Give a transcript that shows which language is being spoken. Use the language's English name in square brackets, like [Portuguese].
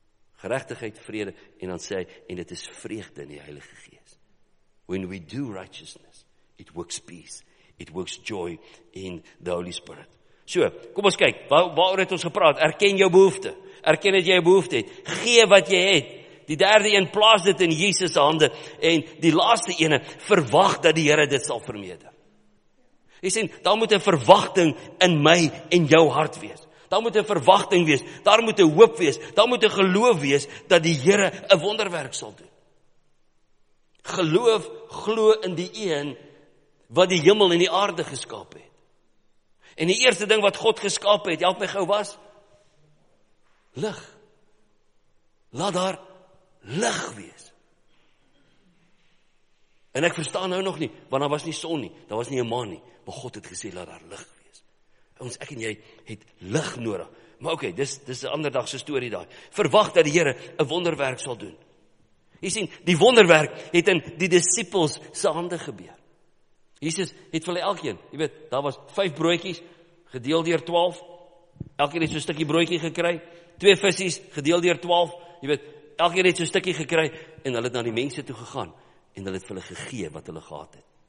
[Afrikaans] Geregtigheid, vrede, en dan sê hy, en dit is vreugde in die Heilige Gees. [English] When we do righteousness, it works peace, it works joy in the Holy Spirit. [Afrikaans] So, kom ons kyk, waaroor het ons gepraat? Erken jou behoefte. Erken dat jy 'n behoefte het. Gee wat jy het. Die derde een, plaas dit in Jesus' hande. En die laaste ene, verwag dat die Here dit sal vermeerder. Jy sê, daar moet 'n verwagting in my en jou hart wees. Daar moet 'n verwagting wees, daar moet 'n hoop wees, daar moet 'n geloof wees, dat die Here 'n wonderwerk sal doen. Geloof, glo in die een, wat die hemel en die aarde geskaap het. En die eerste ding wat God geskaap het, help my gou was, lig. Laat daar lig wees. En ek verstaan nou nog nie, want daar was nie son nie, daar was nie 'n maan nie, maar God het gesê, laat daar lig. Ons, ek en jy, het lig nodig. Maar oké, dis een ander dagse story daar. Verwag dat die Here 'n wonderwerk sal doen. Jy sien, die wonderwerk het in die disciples se hande gebeur. Jesus het vir hulle elkeen, jy weet, daar was 5 broodjies, gedeel deur 12, elkeen het so'n stukkie broodjie gekry, 2 visies, gedeel deur 12, jy weet, elkeen het so'n stukkie gekry, en hulle het na die mense toe gegaan, en hulle het vir hulle gegee wat hulle gehad het.